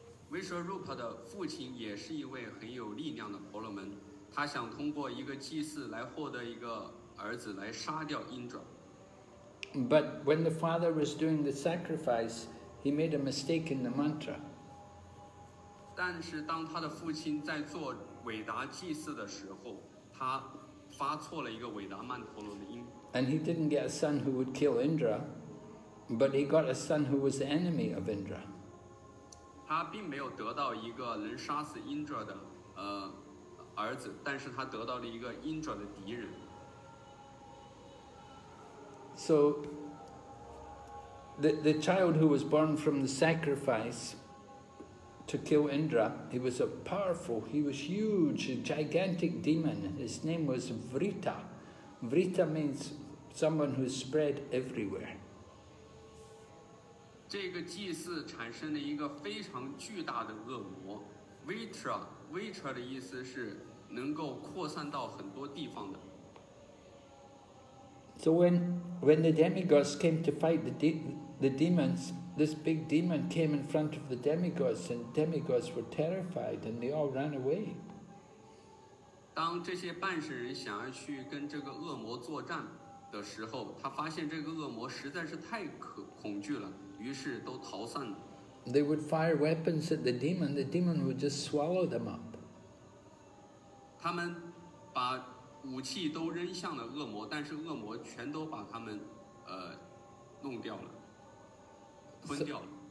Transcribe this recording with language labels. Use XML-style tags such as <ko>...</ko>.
<zh>Vishwarupa 的父亲也是一位很有力量的婆罗门，他想通过一个祭祀来获得一个儿子来杀掉鹰爪。</zh> <en>But when the father was doing the sacrifice, he made a mistake in the mantra.</en> <zh>但是当他的父亲在做伟达祭祀的时候，他发错了一个伟达曼陀罗的音。</zh> <en>And he didn't get a son who would kill Indra, but he got a son who was the enemy of Indra.</en> <zh>他并没有得到一个能杀死 Indra 的儿子，但是他得到了一个 Indra 的敌人。</zh> <en>So, the child who was born from the sacrifice to kill Indra, he was a powerful, he was huge, a gigantic demon. His name was Vrita. Vrita means someone who is spread everywhere.</en> <zh>这个祭祀产生了一个非常巨大的恶魔。 Vrita 的意思是能够扩散到很多地方的。</zh> <en>So when the demigods came to fight the demons, this big demon came in front of the demigods, and demigods were terrified, and they all ran away.</en> <zh>当这些半神人想要去跟这个恶魔作战的时候，他发现这个恶魔实在是太恐惧了，于是都逃散了。</zh> <en>They would fire weapons at the demon would just swallow them up.</en> <zh>他们把武器都扔向了恶魔，但是恶魔全都把他们弄掉了，吞掉了。</zh>